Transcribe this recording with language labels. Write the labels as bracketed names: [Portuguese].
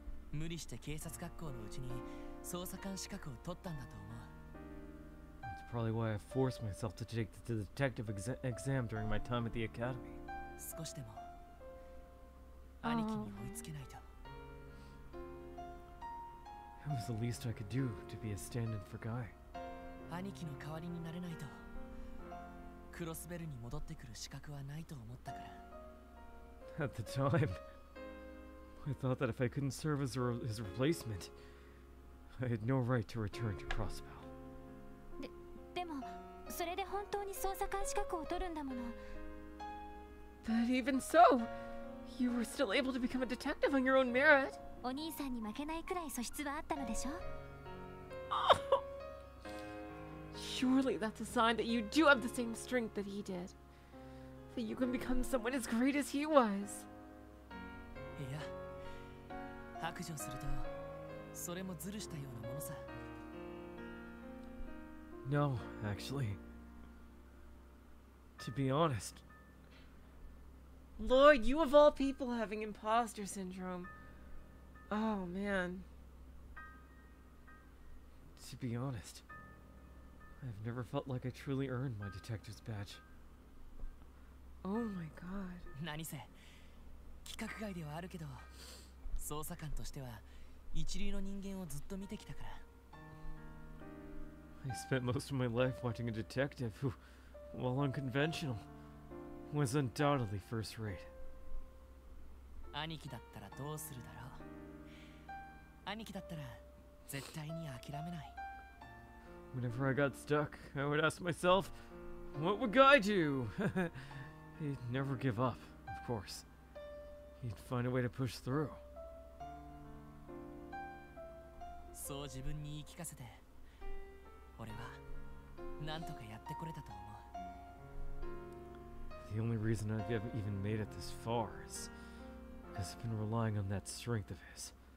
[Japanese] 無理して警察学校のうちに捜査官資格を取ったんだと思う。 [English] That's probably why I forced myself to take the detective exam during my time at the academy. [Japanese] 少しでも兄貴に追いつけないと。 [English] It was the least I could do to be a stand-in for Guy. [Japanese] 兄貴の代わりになれないと、クロスベルに戻ってくる資格はないと思ったから。 [English] At the time, I thought that if I couldn't serve as his replacement, I had no right to return to Crossbell. [Japanese] でも、それで本当に捜査官資格を取るんだもの。 [English] But even so, you were still able to become a detective on your own merit. [Japanese] お兄さんに負けないくらい素質はあったのでしょ。 [English] Surely that's a sign that you do have the same strength that he did. That you can become someone as great as he was. Yeah. [Japanese] 白状すると、それもズルしたようなものさ。 [English] No, actually. To be honest. Lloyd, you of all people having imposter syndrome. Oh, man. To be honest. I've never felt like I truly earned my detective's badge. Oh my god. [Japanese] 何せ、規格外ではあるけど、捜査官としては一流の人間をずっと見てきたから。 [English] I spent most of my life watching a detective who, while unconventional, was undoubtedly first rate. [Japanese] 兄貴だったらどうするだろう。兄貴だったら絶対に諦めない。 [English] Whenever I got stuck, I would ask myself, what would Guy do? He'd never give up, of course. He'd find a way to push through. [Japanese] So, 自分に言い聞かせて、俺は何とかやってこれたと思う。 [English] The only reason I've even made it this far is because I've been relying on that strength of his.